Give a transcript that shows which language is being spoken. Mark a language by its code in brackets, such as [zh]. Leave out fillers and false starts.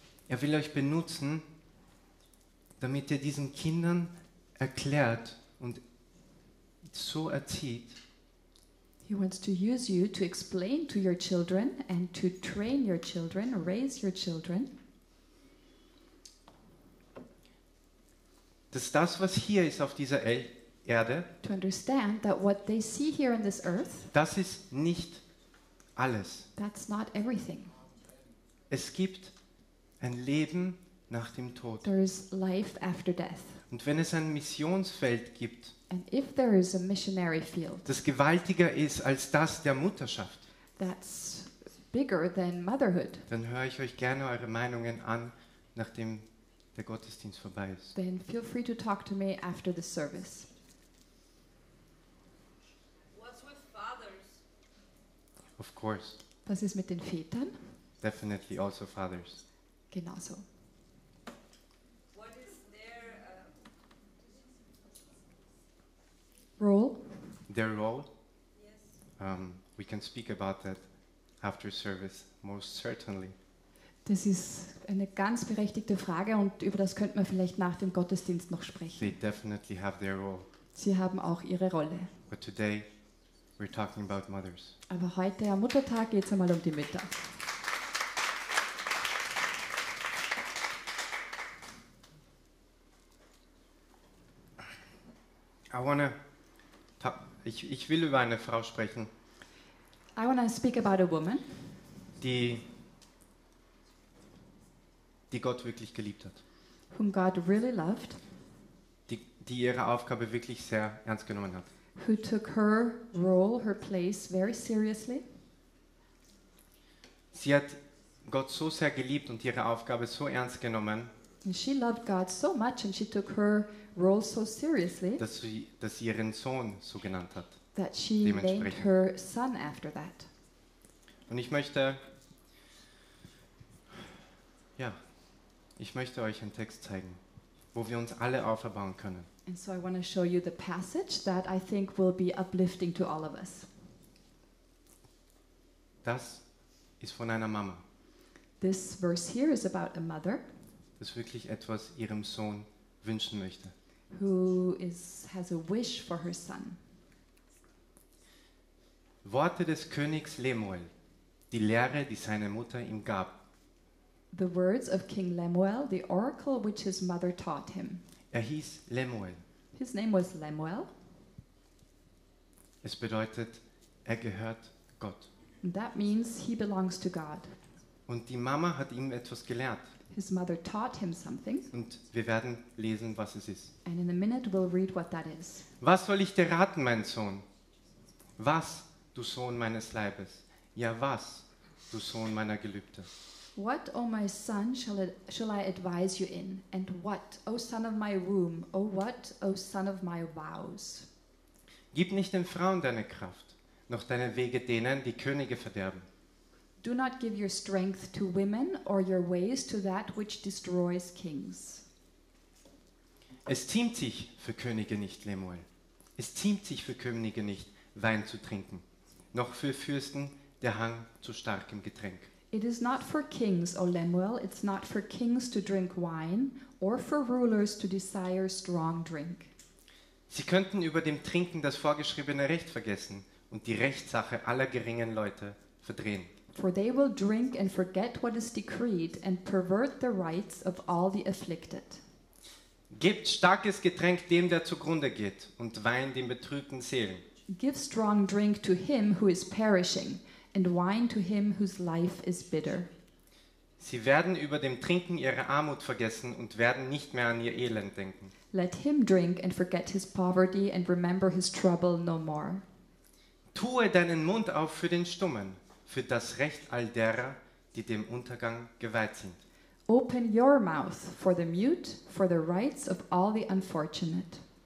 [de] Er will euch benutzen, damit ihr diesen Kindern erklärt und so erzieht. [en] He wants to use you to explain to your children and to train your children, raise your children. [de] Dass das, was hier ist auf dieser Erde, [en] to understand that what they see here on this earth, [de] das ist nicht alles. [en] That's not everything. [de] Es gibt ein Leben nach dem Tod. [en] There is life after death. [de] Und wenn es ein Missionsfeld gibt, [en] and if there is a missionary field, [de] das gewaltiger ist als das der Mutterschaft, [en] that's bigger than motherhood, [de] dann höre ich euch gerne eure Meinungen an, nachdem der Gottesdienst vorbei ist. [en] Then feel free to talk to me after the service. What's with fathers? Of course. [de] Was ist mit den Vätern? [en] Definitely also fathers. [de] Genauso. [en] Role. Their role. Yes. We can speak about that after service, most certainly. [de] Das ist eine ganz berechtigte Frage und über das könnten wir vielleicht nach dem Gottesdienst noch sprechen. [en] They definitely have their role. [de] Sie haben auch ihre Rolle. [en] But today we're talking about mothers. [de] Aber heute am Muttertag geht's einmal um die Mütter. Ich will über eine Frau sprechen. [en] I want to speak about a woman. [de] Die Gott wirklich geliebt hat. [en] Whom God really loved. [de] die ihre Aufgabe wirklich sehr ernst genommen hat. [en] Who took her role, her place very seriously. [de] Sie hat Gott so sehr geliebt und ihre Aufgabe so ernst genommen. [en] And she loved God so much and she took her role so seriously. [de] Dass sie ihren Sohn so genannt hat. [en] That she named her son after that. [de] Und ich möchte euch einen Text zeigen, wo wir uns alle aufbauen können. [en] And so I want to show you the passage that I think will be uplifting to all of us. [de] Das ist von einer Mama. [en] This verse here is about a mother. [de] Das wirklich etwas ihrem Sohn wünschen möchte. [en] Who has a wish for her son. [de] Worte des Königs Lemuel, die Lehre, die seine Mutter ihm gab. [en] The words of King Lemuel, the oracle which his mother taught him. [de] Er hieß Lemuel. [en] His name was Lemuel. [de] Es bedeutet, er gehört Gott. [en] That means he belongs to God. [de] Und die Mama hat ihm etwas gelehrt. [en] His mother taught him something. [de] Und wir werden lesen, was es ist. [en] And in a minute we'll read what that is. [de] Was soll ich dir raten, mein Sohn? Was, du Sohn meines Leibes? Ja, was, du Sohn meiner Gelübde? [en] What, O my son, shall I advise you in? And what, O son of my womb? O what, O son of my vows? [de] Gib nicht den Frauen deine Kraft, noch deine Wege denen, die Könige verderben. [en] Do not give your strength to women or your ways to that which destroys kings. [de] Es ziemt sich für Könige nicht, Lemuel. Es ziemt sich für Könige nicht, Wein zu trinken, noch für Fürsten der Hang zu starkem Getränk. [en] It is not for kings, O Lemuel, it's not for kings to drink wine or for rulers to desire strong drink. [de] Sie könnten über dem Trinken das vorgeschriebene Recht vergessen und die Rechtssache aller geringen Leute verdrehen. [en] For they will drink and forget what is decreed and pervert the rights of all the afflicted. [de] Gebt starkes Getränk dem, der zugrunde geht, und Wein den betrübten Seelen. [en] Give strong drink to him who is perishing, and wine to him whose life is bitter. [de] Sie werden über dem Trinken ihre Armut vergessen und werden nicht mehr an ihr Elend denken. [en] Let him drink and forget his poverty and remember his trouble no more. [de] Tue deinen Mund auf für den Stummen, für das Recht all derer, die dem Untergang geweiht sind. [en] Open your mouth for the mute, for the rights of all the unfortunate.